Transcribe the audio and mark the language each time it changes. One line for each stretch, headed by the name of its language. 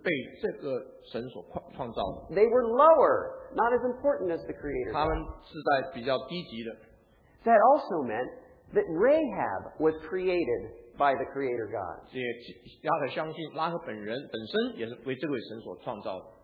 Chinese: 他们当地人所相信神是被这个神所创造的。
English: They were lower, not as important as the creator.
Chinese: 他们是在比较低级的。
English: That also meant that Rahab was created by the creator God.
Chinese: 拉合相信拉合本人本身也是为这位神所创造的。